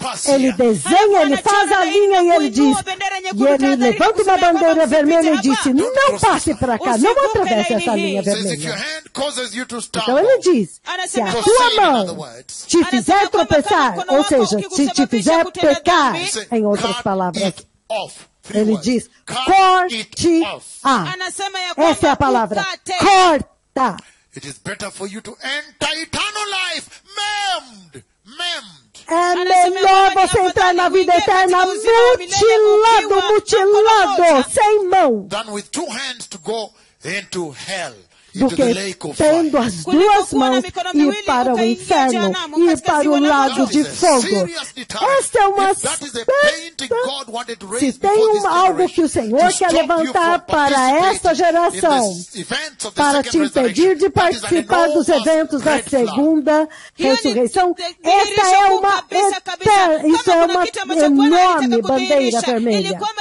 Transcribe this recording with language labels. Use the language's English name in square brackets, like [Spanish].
[Portuguese] ele desenha, ele faz a linha e ele diz, e ele levanta uma bandeira vermelha e diz, não passe para cá, não atravesse essa linha vermelha. Então, ele diz, se a tua mão te fizer tropeçar, ou seja, se te fizer pecar, em outras palavras, ele diz, corte-a. Essa é a palavra, corta. [English] It is better for you to enter eternal life, maimed. [Portuguese] É melhor você entrar na vida eterna mutilado, sem mão. [English] Than with two hands to go into hell. [Portuguese] Do que tendo as duas mãos e ir para o inferno, ir para o lago de fogo. Esta é uma certa. Se tem algo que o Senhor quer levantar para esta geração, para te impedir de participar dos eventos da segunda ressurreição, esta é uma eterna, isso é uma enorme bandeira vermelha.